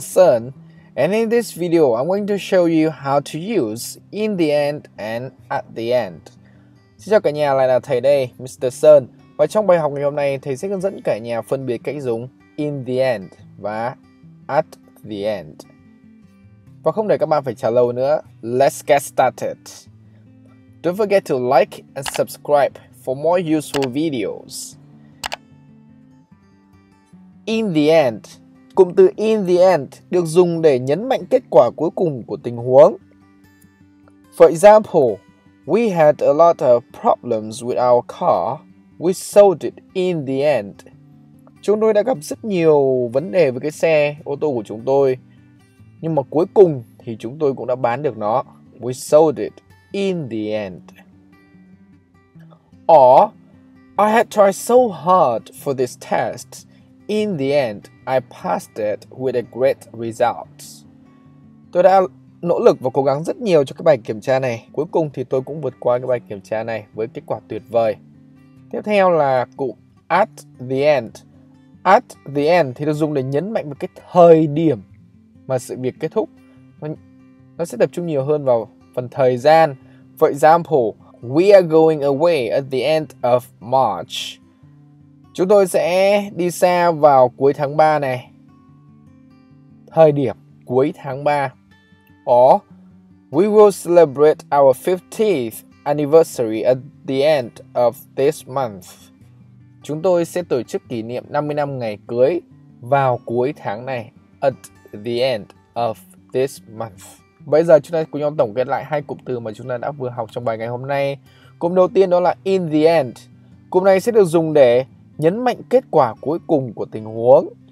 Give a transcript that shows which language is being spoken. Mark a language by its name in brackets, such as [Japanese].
[English] Sun, and in this video, I'm going to show you how to use in the end and at the end. [Vietnamese] Xin chào cả nhà, lại là thầy đây, Mr. Sun, và trong bài học ngày hôm nay, thầy sẽ hướng dẫn cả nhà phân biệt cách dùng in the end và at the end. Và không để các bạn phải chờ lâu nữa, [English] let's get started. Don't forget to like and subscribe for more useful videos. [Vietnamese] In the end, cụm từ in the end được dùng để nhấn mạnh kết quả cuối cùng của tình huống. [English] For example, we had a lot of problems with our car. We sold it in the end. [Vietnamese] Chúng tôi đã gặp rất nhiều vấn đề với cái xe ô tô của chúng tôi. Nhưng mà cuối cùng thì chúng tôi cũng đã bán được nó. [English] We sold it in the end. Or, I had tried so hard for this test. In the end, I passed it with a great result. [Vietnamese] Tôi đã nỗ lực và cố gắng rất nhiều cho cái bài kiểm tra này. Cuối cùng thì tôi cũng vượt qua cái bài kiểm tra này với kết quả tuyệt vời. Tiếp theo là cụm at the end. At the end thì được dùng để nhấn mạnh vào cái thời điểm mà sự việc kết thúc. Nó sẽ tập trung nhiều hơn vào phần thời gian. [English] For example, we are going away at the end of March. [Vietnamese] Chúng tôi sẽ đi xa vào cuối tháng 3 này. Thời điểm cuối tháng 3. [English] Or, we will celebrate our 50th anniversary at the end of this month. [Vietnamese] Chúng tôi sẽ tổ chức kỷ niệm 50 năm ngày cưới vào cuối tháng này. [English] At the end of this month. [Vietnamese] Bây giờ chúng ta cùng nhau tổng kết lại hai cụm từ mà chúng ta đã vừa học trong bài ngày hôm nay. Cụm đầu tiên đó là in the end. Cụm này sẽ được dùng để nhấn mạnh kết quả cuối cùng của tình huống.